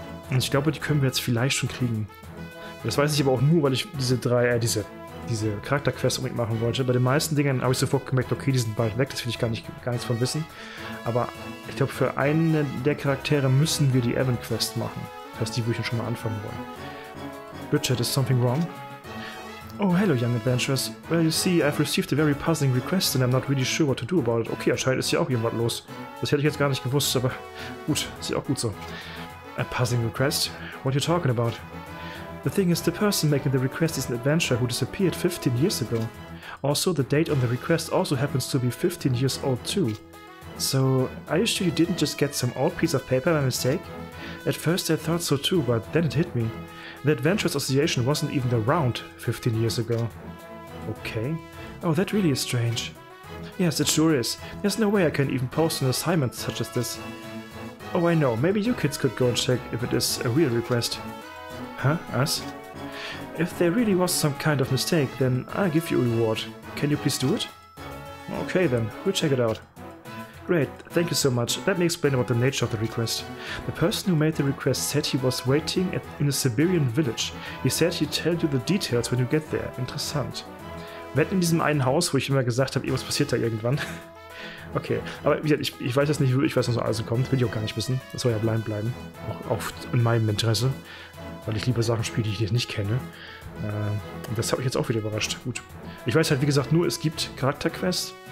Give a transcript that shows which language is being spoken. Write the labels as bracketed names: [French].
[German] Und ich glaube, die können wir jetzt vielleicht schon kriegen. Das weiß ich aber auch nur, weil ich diese Charakterquests unbedingt machen wollte. Bei den meisten Dingen habe ich sofort gemerkt, okay, die sind bald weg, das will ich gar nichts von wissen. Aber ich glaube, für einen der Charaktere müssen wir die Evan-Quest machen. Das heißt, die würde ich dann schon mal anfangen wollen. [English] Richard, is something wrong? Oh, hello, young adventurers. Well, you see, I've received a very puzzling request and I'm not really sure what to do about it. [German] Okay, anscheinend ist hier auch irgendwas los. Das hätte ich jetzt gar nicht gewusst, aber gut, ist ja auch gut so. [English] A puzzling request? What are you talking about? The thing is, the person making the request is an adventurer who disappeared 15 years ago. Also, the date on the request also happens to be 15 years old too. So, are you sure you didn't just get some old piece of paper by mistake? At first I thought so too, but then it hit me. The Adventurers Association wasn't even around 15 years ago. Okay. Oh, that really is strange. Yes, it sure is. There's no way I can even post an assignment such as this. Oh, I know. Maybe you kids could go and check if it is a real request. Huh? Us? If there really was some kind of mistake, then I'll give you a reward. Can you please do it? Okay then, we'll check it out. Great, thank you so much. Let me explain about the nature of the request. The person who made the request said he was waiting in a Siberian village. He said he'd tell you the details when you get there. [German] Interessant. Wenn in diesem einen Haus, wo ich immer gesagt habe, irgendwas passiert da irgendwann. Okay, aber ich weiß jetzt nicht, ich weiß, was so alles kommt. Will ich auch gar nicht wissen. Das soll ja blind bleiben. Auch in meinem Interesse. Weil ich lieber Sachen spiele, die ich jetzt nicht kenne. Und das habe ich jetzt auch wieder überrascht. Gut. Ich weiß halt, wie gesagt, nur es gibt Charakterquests.